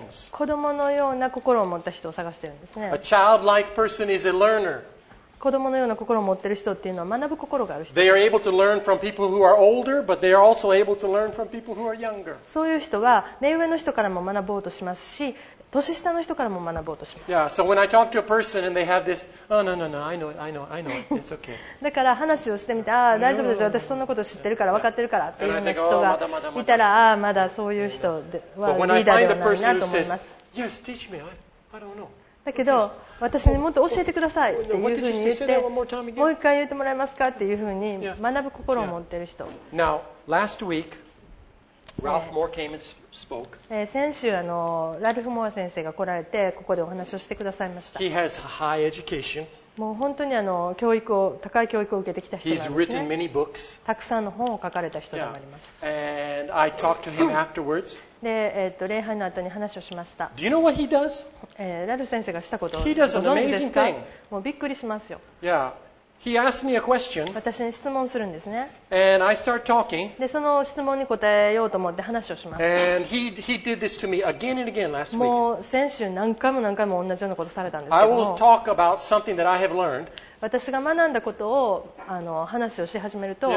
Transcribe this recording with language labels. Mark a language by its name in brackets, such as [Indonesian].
[Japanese] 子供のような心を持った人を探しているんですね。 [English] A childlike person is a learner. [Japanese] 子供のような心を持っている人っていうのは学ぶ心がある人。 [English] They are able to learn from people who are older, but they are also able to learn from people who are younger. [Japanese] そういう人は目上の人からも学ぼうとしますし、年下の人からも学ぼうとします。 [English] Yeah, so when I talk to a person and they have this, oh no no no, I know, I know, I know, it's okay. [Japanese] だから話をしてみて、ああ大丈夫ですよ、私そんなこと知ってるから、分かってるからっていう人がいたら、まだまだああまだそういう人はリーダーではないなと思います。 [English] Yes, teach me. I don't know. [Japanese] だけど私にもっと教えてくださいっていうふうに言って、もう一回言ってもらえますかっていうふうに学ぶ心を持ってる人。 [English] Now, last week. Ralph Moore came and spoke. [Japanese] 先週ラルフ・モア先生が来られてここでお話をしてくださいました。 [English] He has a high education. [Japanese] もう本当に教育を高い教育を受けてきた人なんですね。 [English] He's written many books. [Japanese] たくさんの本を書かれた人でもあります。 [English] Yeah. And I talked to him afterwards. [Japanese] で、礼拝の後に話をしました。 [English] Do you know what he does? [Japanese] ラルフ先生がしたことをご存知ですか? [English] He does an amazing thing. [Japanese] もうびっくりしますよ。 [English] Yeah. He asked me a question, [Japanese] 私に質問するんですね。 [English] And I start talking, [Japanese] でその質問に答えようと思って話をします。 [English] And he did this to me again and again last week. [Japanese] もう先週何回も何回も同じようなことされたんですけども。 [English] I will talk about something that I have learned. [Japanese] 私が学んだことを話をし始めると、